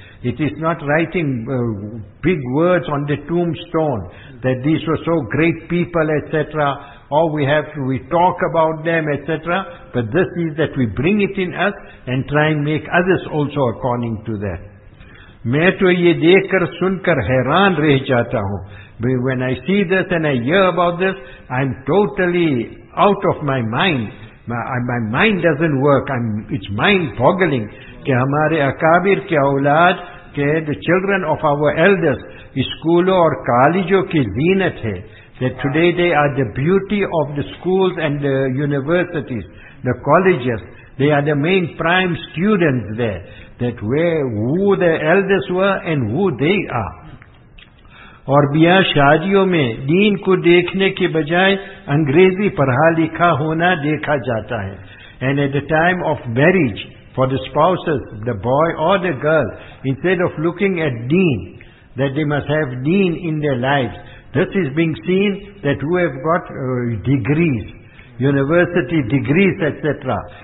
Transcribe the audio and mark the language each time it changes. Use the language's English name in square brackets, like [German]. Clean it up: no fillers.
[English] It is not writing big words on the tombstone that these were so great people, etc. Or we talk about them, etc. But this is that we bring it in us and try and make others also according to that. [Urdu] میں تو یہ دیکھ کر سن کر حیران رہ جاتا ہوں. [English] When I see this and I hear about this, I'm totally out of my mind. My mind doesn't work. It's mind boggling. [Urdu] کہ ہمارے اکابر کے اولاد, کہ [English] the children of our elders, [Urdu] اسکولوں اور کالجوں کی زینت ہے. [English] That today they are the beauty of the schools and the universities, the colleges. They are the main prime students there. That where, who the elders were and who they are. [Urdu] اور بیاہ شادیوں میں دین کو دیکھنے کے بجائے انگریزی پڑھا لکھا ہونا دیکھا جاتا ہے. [English] And at the time of marriage, for the spouses, the boy or the girl, instead of looking at deen, that they must have deen in their lives, this is being seen that who have got degrees, university degrees, etc.